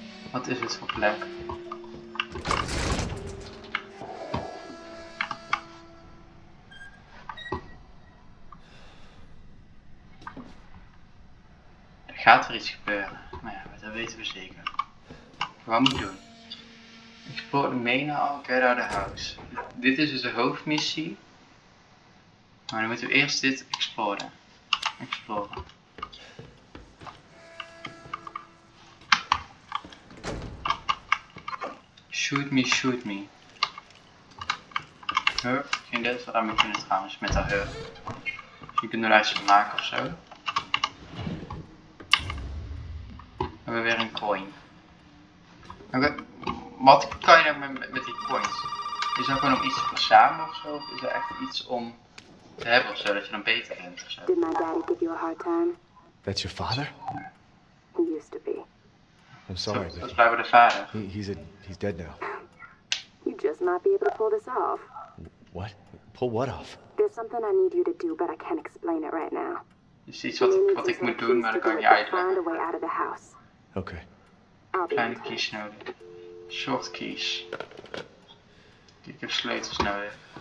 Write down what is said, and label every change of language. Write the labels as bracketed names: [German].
[Dutch] Wat is het voor plek? Er gaat er iets gebeuren. Maar ja, dat weten we zeker. Wat moet ik doen? [English] Explore the main hall, get out of the house. [Dutch] Dit is dus de hoofdmissie. Maar dan moeten we eerst dit exploren. Exploren. [English] Shoot me. [Dutch] Huh? Geen idee wat we daarmee kunnen trouwens, met dat huh. Dus je kunt er iets van maken ofzo. we weer een coin. Oké, wat kan je nou met die coins? Is dat gewoon om iets te verzamelen ofzo? Of is er echt iets om te hebben ofzo, dat je dan beter bent ofzo? [English] Did my daddy give you a hard time? That's your father? He used to be. I'm sorry. [Dutch] Dat is blijkbaar de vader. [English] He's dead now. You just might be able to pull this off. What? Pull what off? There's something I need you to do, but I can't explain it right now. [Dutch] Is iets wat ik moet doen, maar dat kan ik niet uitleggen. [English] Find a way out of the house. Okay. [Dutch] Kleine keys nodig. [English] Short keys. [Dutch] Ik heb sleutels nodig.